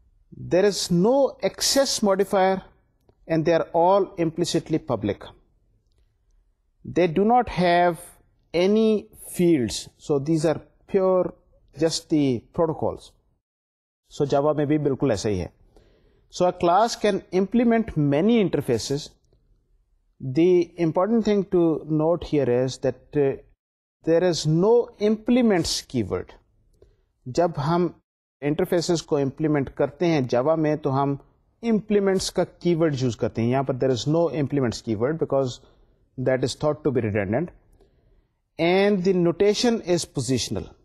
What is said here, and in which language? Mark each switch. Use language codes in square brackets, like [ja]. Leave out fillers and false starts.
[en] There is no access modifier and they are all implicitly public. They do not have any fields, so these are pure just the protocols. [ur] سو جاوا میں بھی بالکل ایسا ہی ہے. [en] So a class can implement many interfaces. The important thing to note here is that there is no implements keyword. [ur] جب ہم interfaces کو implement کرتے ہیں جاوا میں تو ہم امپلیمنٹس کا کی ورڈ یوز کرتے ہیں. یہاں پر [en] There is no implements keyword because that is thought to be redundant. And the notation is positional.